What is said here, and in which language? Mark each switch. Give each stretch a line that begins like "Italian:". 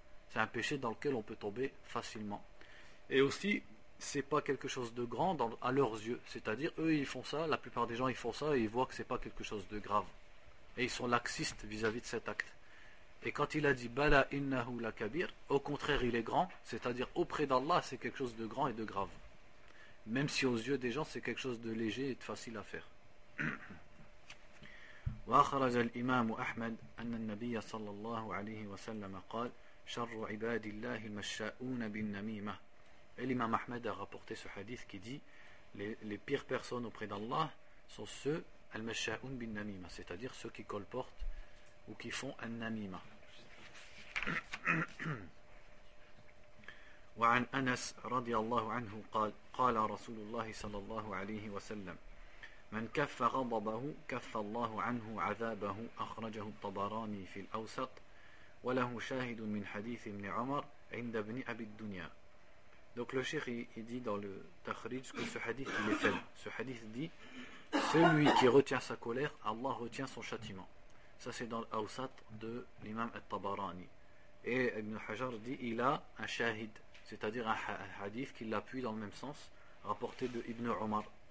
French: C'est un péché dans lequel on peut tomber facilement. Et aussi, c'est pas quelque chose de grand à leurs yeux, c'est-à-dire eux ils font ça, la plupart des gens ils font ça et ils voient que c'est pas quelque chose de grave et ils sont laxistes vis-à-vis de cet acte. Et quand il a dit
Arabic: bala innahu la kabir,
French: au contraire il est grand, c'est-à-dire auprès d'Allah c'est quelque chose de grand et de grave. même si aux yeux des gens c'est quelque chose de léger et de facile à faire.
Arabic: وأخرج الإمام أحمد أن النبي صلى الله عليه وسلم قال شر عباد الله مشاؤون بالنميمة.
French: الإمام أحمد a rapporté ce hadith qui dit les pires personnes auprès d'Allah sont ceux
Arabic: المشاؤون بالنميمة,
French: c'est-à-dire ceux qui colportent ou qui font un namima.
Arabic: وعن أنس رضي الله عنه قال قال رسول الله صلى الله عليه وسلم من كف غضبه كف الله عنه عذابه أخرجه الطبراني في الأوسط وله شاهد من حديث ابن عمر عند ابن أبي الدنيا.
French: Donc le cheikh il dit dans le Takhrij que ce hadith il est faible. Ce hadith dit celui qui retient sa colère, Allah retient son châtiment. Ça c'est dans l'Awsat de l'imam al-Tabarani. Et Ibn Hajar dit il a un shahid, c'est-à-dire un hadith qui l'appuie dans le même sens, rapporté de Ibn Umar.